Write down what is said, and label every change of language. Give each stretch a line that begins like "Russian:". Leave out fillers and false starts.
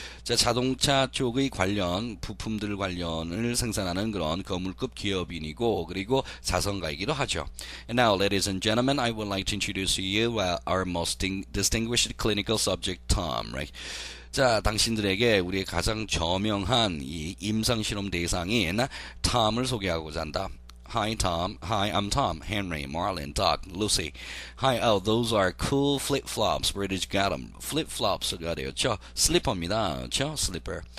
Korean: 자, 자동차 쪽의 관련 부품들 관련을 생산하는 그런 거물급 기업인이고 그리고 자선가이기도 하죠.
English: And now, ladies and gentlemen, I would like to introduce you our most distinguished clinical subject, Tom, right?
Korean: 자, 당신들에게 우리의 가장 저명한 이 임상 실험 대상인 Tom을 소개하고자 한다.
English: Hi, Tom. Hi, I'm Tom. Henry, Marlin, Doc, Lucy. Hi, oh, those are cool flip-flops. Where did you get them? Flip-flops,
Korean: 그래요. 저 슬리퍼입니다. 저 슬리퍼.